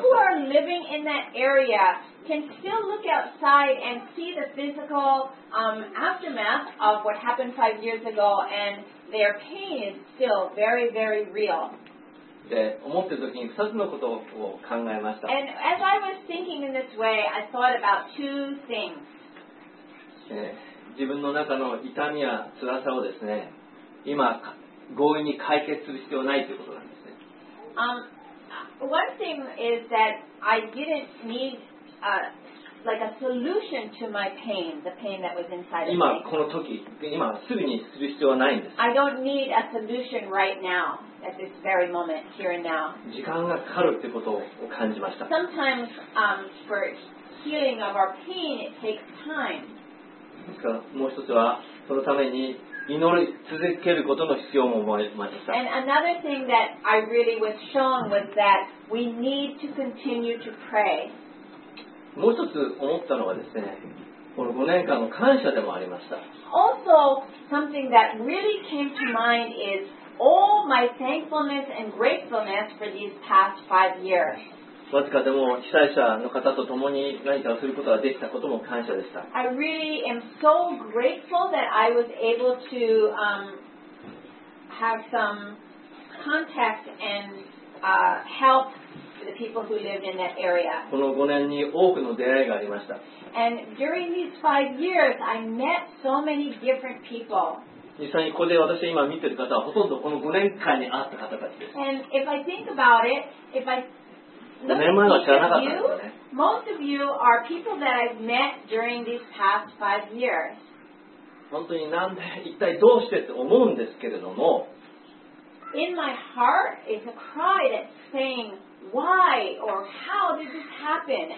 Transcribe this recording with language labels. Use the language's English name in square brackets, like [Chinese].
[English] But the people who are living in that area can still look outside and see the physical aftermath of what happened 5 years ago, and their pain is still very, very real. [Japanese] で、思ってる時に2つのことを考えました。 [English] And as I was thinking in this way, I thought about two things. [Japanese] 自分の中の痛みや辛さをですね、今強引に解決する必要はないということなんですね。 [English] One thing is that I didn't need like a solution to my pain, the pain that was inside of me. [Japanese] 今この時、今すぐにする必要はないんです。 [English] I don't need a solution right now, at this very moment, here and now. [Japanese] 時間がかかるってことを感じました。 [English] Sometimes, for healing of our pain, it takes time. [Japanese] ですから、もう一つは、そのために祈り続けることの必要も思いました。 [English] And another thing that I really was shown was that we need to continue to pray. [Japanese] もう一つ思ったのはですね、この5年間の感謝でもありました。 [English] Also, something that really came to mind is all my thankfulness and gratefulness for these past five years. [Japanese] わずかでも被災者の方と共に何かをすることができたことも感謝でした。 [English] I really am so grateful that I was able to, have some contact and, help. The people who lived in that area. [Japanese] この5年に多くの出会いがありました。 [English] And during these five years, I met so many different people. [Japanese] 実際にここで私が今見ている方はほとんどこの5年間に会った方たちです。 [English] And if I think about it, if I look at each of you, most of you are people that I've met during these past five years. [Japanese] 本当になんで一体どうしてって思うんですけれども、 [English] In my heart is a cry that's saying. Why or how did this happen?